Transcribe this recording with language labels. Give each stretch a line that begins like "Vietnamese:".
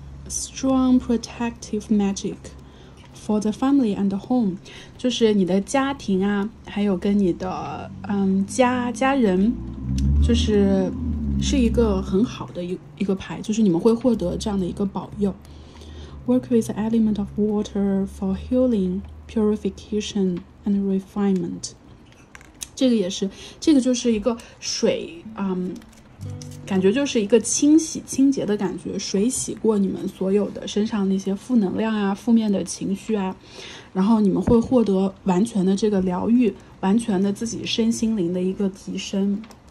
English: Strong protective magic for the family and the home，
Chinese: 就是你的家庭啊，还有跟你的家人，就是是一个很好的一个牌，就是你们会获得这样的一个保佑。
English: Work with the element of water for healing, purification and refinement。
Chinese: 这个也是，这个就是一个水，感觉就是一个清洗清洁的感觉，水洗过你们所有的身上那些负能量啊，负面的情绪啊，然后你们会获得完全的这个疗愈，完全的自己身心灵的一个提升。